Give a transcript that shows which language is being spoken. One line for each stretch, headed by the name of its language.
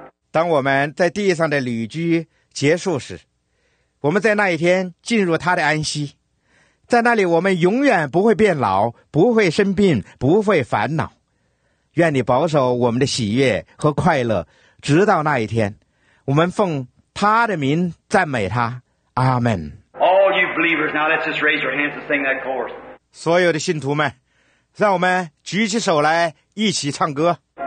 Chinese: 当我们在地上的旅居结束时，我们在那一天进入他的安息，在那里我们永远不会变老，不会生病，不会烦恼。愿你保守我们的喜悦和快乐，直到那一天。我们奉他的名赞美他，阿们。
English: All you believers, now let's just raise your hands and sing that chorus.
Chinese: 所有的信徒们，让我们举起手来一起唱歌。